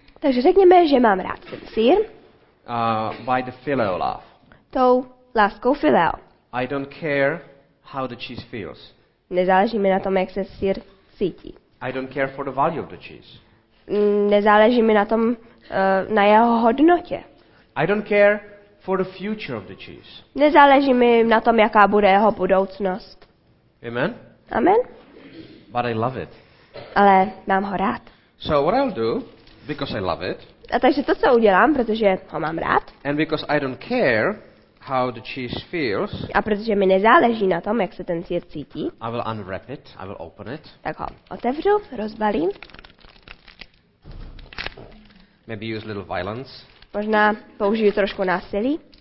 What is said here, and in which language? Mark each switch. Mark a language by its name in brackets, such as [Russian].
[Czech] Takže řekněme, že mám rád ten sýr. [English] By the phileo love. [Czech] Tou láskou phileo. [English] I don't care how the cheese feels. [Czech] Nezáleží mi na tom, jak se sýr cítí. [English] I don't care for the value of the cheese. [Czech] Nezáleží mi na tom, na jeho hodnotě. [English] I don't care for the future of the cheese. [Czech] Nezáleží mi na tom, jaká bude jeho budoucnost. [English] Amen. [Czech] Amen. [English] But I love it. [Czech] Ale mám ho rád. [English] So what I'll do, because I love it. [Czech] A takže to, co udělám, protože ho mám rád. [English] And because I don't care how the cheese feels. [Czech] A protože mi nezáleží na tom, jak se ten sýr cítí. [English] I will unwrap it. I will open it. [Czech] Tak ho otevřu, rozbalím. [English] Maybe use a little violence. [Czech] Možná použiju trošku násilí.